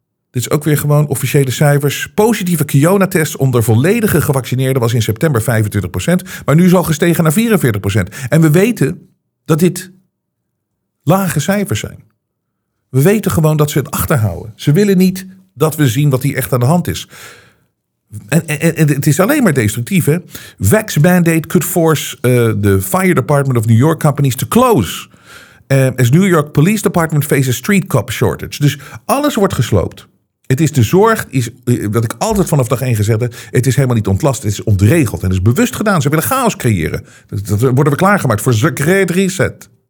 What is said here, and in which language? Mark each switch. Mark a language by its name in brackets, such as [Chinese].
[Dutch] Dit is ook weer gewoon officiële cijfers. Positieve Kiona-test onder volledige gevaccineerden was in september 25%. Maar nu is al gestegen naar 44%. En we weten dat dit lage cijfers zijn. We weten gewoon dat ze het achterhouden. Ze willen niet dat we zien wat hier echt aan de hand is. En het is alleen maar destructief, hè? [English] Vax mandate could force the Fire Department of New York companies to close. As New York Police Department faces street cop shortage. [Dutch] Dus alles wordt gesloopt. Het is de zorg, wat ik altijd vanaf dag 1 gezegd heb, het is helemaal niet ontlast, het is ontregeld. En het is bewust gedaan, ze willen chaos creëren. Dat worden we klaargemaakt voor secret reset.